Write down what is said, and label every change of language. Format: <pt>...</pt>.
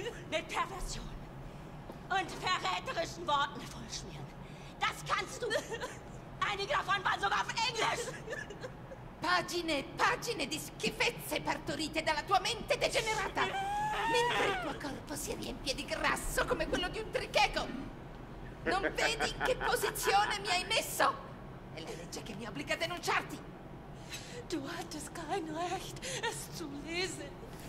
<de>Mit Perversion und verräterischen Worten vollschmieren. Das kannst du. Einige davon waren sogar auf Englisch.</de> <it>Pagine, pagine di schifezze partorite dalla tua mente degenerata. Mentre il tuo corpo si riempie di grasso come quello di un tricheco. Non vedi in che posizione mi hai messo? È la legge che mi obbliga a denunciarti.</it> <de>Du hattest kein Recht, es zu lesen.</de>